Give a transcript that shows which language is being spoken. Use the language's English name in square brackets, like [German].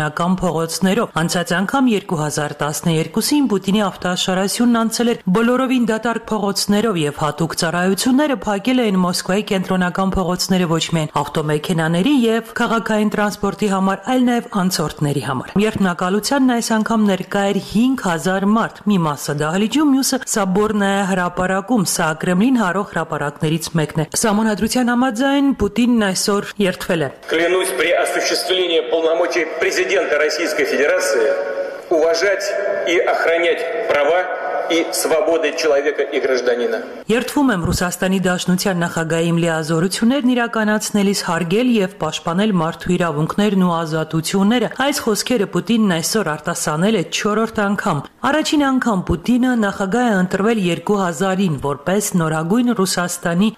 [Armenian] կենտրոնական փողոցներով։ Անցած անգամ 2012-ին Պուտինի ավտոշարասյունն անցել էր բոլորովին դատարկ փողոցներով, և հատուկ ծառայությունները փակել էին Մոսկվայի կենտրոն փողոցները ոչ միայն ավտոմեքենաների և քաղաքային տրանսպորտի համար, այլ նաև անցորդների համար։ Երթնակալությանն այս անգամ ներկա էր 5000 մարդ, մի մասը դահլիճում, մյուսը Սաբորնայա հրապարակում, սա Կրեմլին հարող հրապարակներից մեկն է։ Սահմանադրության համաձայն Պուտինն այսօր երթվել է։ [Russian] Клянусь при осуществлении полномочий президента Российской Федерации уважать и охранять права и свободы человека и гражданина. [Armenian] Երթվում եմ Ռուսաստանի Դաշնության նախագահի լիազորություններն իրականացնելիս հարգել եւ պաշտպանել մարդու իրավունքներն ու ազատությունները։ Այս խոսքերը Պուտինն այսօր արտասանել է 4-րդ անգամ։ Առաջին անգամ Պուտինը նախագահ է ընտրվել 2000-ին որպես նորագույն Ռուսաստանի